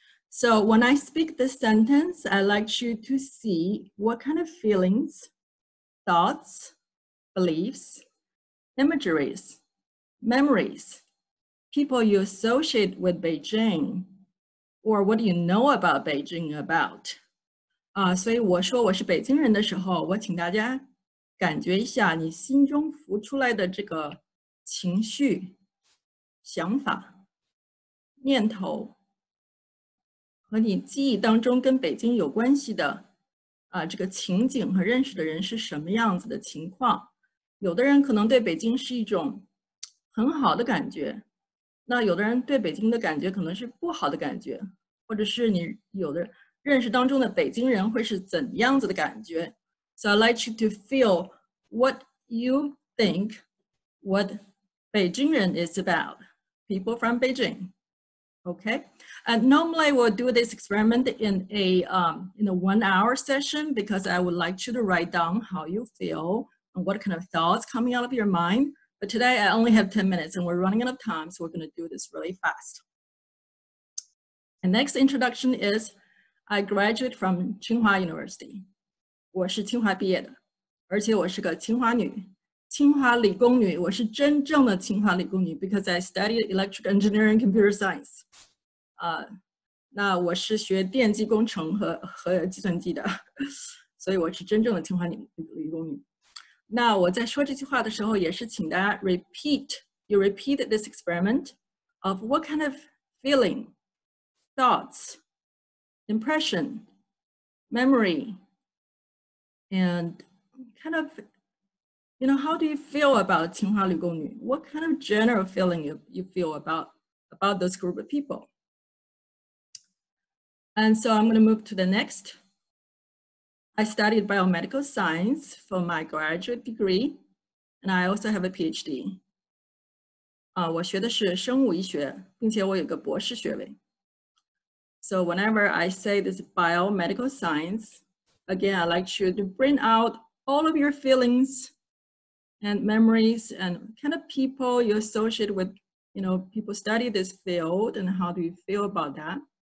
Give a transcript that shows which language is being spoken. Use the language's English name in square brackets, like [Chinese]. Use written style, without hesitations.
[English] So when I speak this sentence, I'd like you to see what kind of feelings, thoughts, beliefs, imageries, memories, people you associate with Beijing, or what do you know about Beijing about? [Chinese] 所以我说我是北京人的时候，我请大家感觉一下你心中浮出来的这个情绪、想法、念头和你记忆当中跟北京有关系的这个情景和认识的人是什么样子的情况。有的人可能对北京是一种很好的感觉，那有的人对北京的感觉可能是不好的感觉，或者是你有的人认识当中的北京人会是怎样子的感觉。 [English] So I'd like you to feel what you think what Beijing人 is about. People from Beijing. Okay. And normally we'll do this experiment in a 1 hour session because I would like you to write down how you feel and what kind of thoughts coming out of your mind. But today I only have 10 minutes and we're running out of time, so we're going to do this really fast. And next introduction is,I graduate from 清华 University. [Chinese] 我是清华毕业的。而且我是个清华女，清华理工女，我是真正的清华理工女 [English] because I studied electrical engineering and computer science. [Chinese] 那我是学电机工程 和计算机的，所以我是真正的清华 理工女。那我在说这句话的时候也是请大家 [English] repeat this experiment of what kind of feeling, thoughts, impression, memory, and kind of, you know, how do you feel about 清华理工女? What kind of general feeling you feel about those group of people? And so I'm going to move to the next. I studied biomedical science for my graduate degree, and I also have a PhD. [Chinese] 我学的是生物医学，并且我有个博士学位。 [English] So whenever I say this biomedical science, again, I'd like you to bring out all of your feelings and memories and kind of people you associate with, you know, people study this field and how do you feel about that?